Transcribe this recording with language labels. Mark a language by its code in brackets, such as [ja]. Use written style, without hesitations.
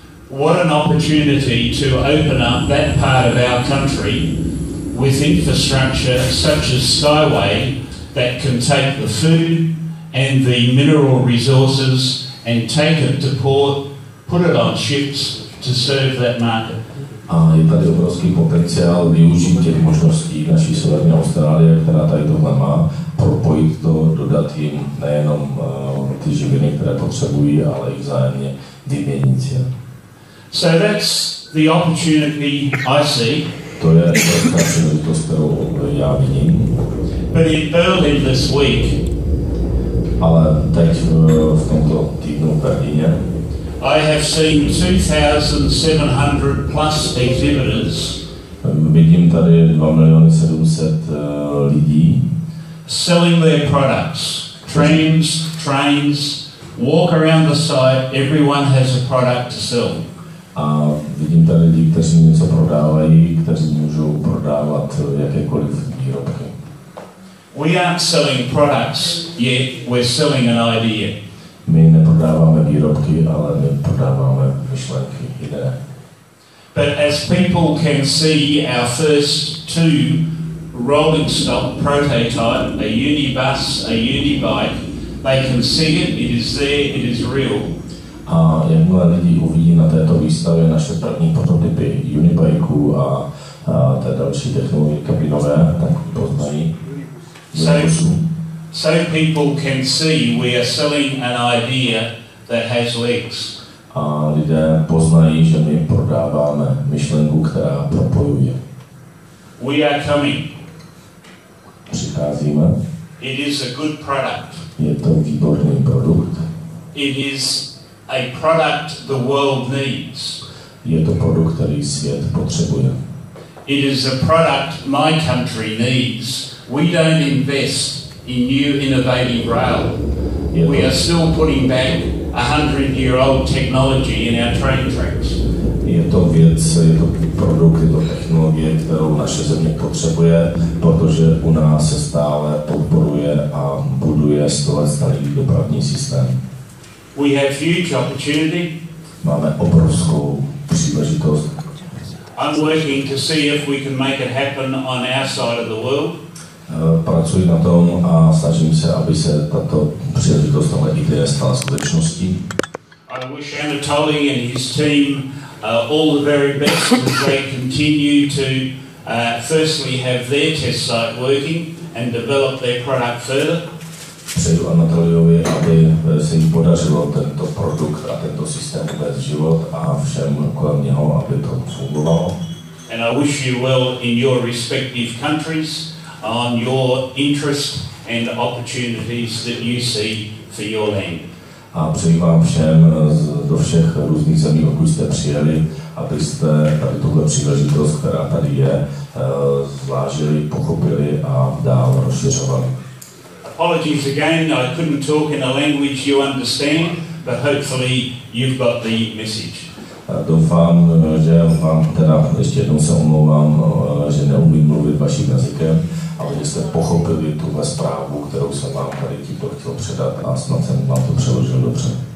[en] What an opportunity to open up that part of our country with infrastructure such as Skyway that can take the food and the mineral resources and take it to port, put it on ships to serve that market. [cs] A je tady obrovský potenciál využít těch možností naší severní Austrálie, která tady tohle má, propojit to, dodat jim nejenom ty živiny, které potřebují, ale i vzájemně vyměnit je. [en] So that's the opportunity I see. [cs] To je ta příležitost, kterou já vidím. [en] But in Berlin this week, [cs] ale teď v tomto týdnu v Berlíně, [en] I have seen 2,700 plus exhibitors. [cs] Vidím tady 2,700 lidí. [en] Selling their products. Trams, trains, walk around the site, everyone has a product to sell. [cs] A vidím tady lidi, kteří něco prodávají, kteří můžou prodávat jakékoliv výrobky. [en] We aren't selling products yet, we're selling an idea. [cs] My neprodáváme výrobky, ale my prodáváme myšlenky, ideje. [en] But as people can see our first two rolling stock prototype, a unibus, a unibike, they can see it, it is there, it is real. [cs] A jakmile lidi uvidí na této výstavě naše první prototypy unibiků a té další technologie kabinové, tak poznají. [en] So people can see we are selling an idea that has legs. [cs] A lidé poznají, že my prodáváme myšlenku, která propojuje. [en] We are coming. [cs] Přicházíme. [en] It is a good product. [cs] Je to výborný produkt. [en] It is a product the world needs. [cs] Je to produkt, který svět potřebuje. [en] It is a product my country needs. We don't invest in new innovative rail. We are still putting back 100-year-old technology in our train tracks. [cs] Je to věc, je to produkt, je to technologie, kterou naše země potřebuje, protože u nás se stále podporuje a buduje stále starý dopravní systém. [en] We have huge opportunity. [cs] Máme obrovskou příležitost. [en] I'm working to see if we can make it happen on our side of the world. [cs] Pracuji na tom a snažím se, aby se tato příležitost, tato ideje stala skutečností. [en] I wish Anatoly and his team all the very best as they continue to firstly have their test site working and develop their product further. [cs] Přeju Anatoliovi, aby se jim podařilo tento produkt a tento systém uvést v život a všem kolem něho, aby to fungovalo. [en] And I wish you well in your respective countries on your interest and opportunities that you see for your land. [cs] A přeji vám všem do všech různých zemí, odkud jste přijeli, abyste tady tuhle příležitost, která tady je, zvážili, pochopili a dál rozšiřovali. [en] Apologies again, I couldn't talk in a language you understand, but hopefully you've got the message. [cs] Doufám, že vám teda ještě jednou se omlouvám, že neumím mluvit vaším jazykem, ale že jste pochopili tuhle zprávu, kterou jsem vám tady tímto chtěl předat a snad jsem vám to přeložil dobře.